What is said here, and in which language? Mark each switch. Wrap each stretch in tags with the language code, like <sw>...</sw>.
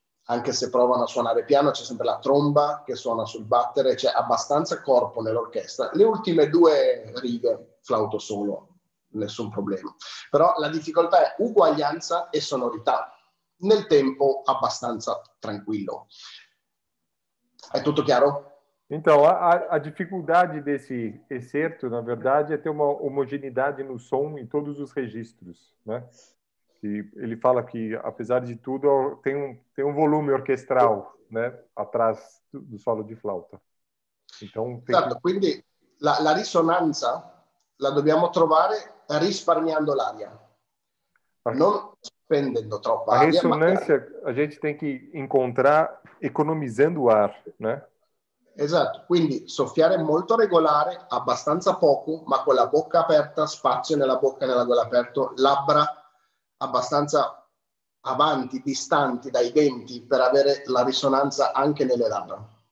<it>Anche se provano a suonare piano, c'è sempre la tromba che suona sul battere, c'è abbastanza corpo nell'orchestra. Le ultime due righe, flauto solo, nessun problema. Però la difficoltà è uguaglianza e sonorità. Nel tempo abbastanza tranquillo. È tutto chiaro?</it> <pt>Então, a dificuldade desse excerto, na verdade, é ter uma homogeneidade no som em todos os registros, né? E ele fala que, apesar de tudo, tem um volume orquestral, né, atrás do solo de flauta. Então, tem...</pt> <it>Certo, quindi la risonanza la dobbiamo trovare risparmiando l'aria. Non spendendo troppa aria.</it> <pt>A risonância a gente tem que encontrar economizando o ar, né?</pt> <it>Esatto, quindi soffiare molto regolare, abbastanza poco, ma con la bocca aperta, spazio nella bocca e nella gola aperto, labbra abbastanza avanti, distanti dai denti per avere la risonanza anche nelle labbra.</it>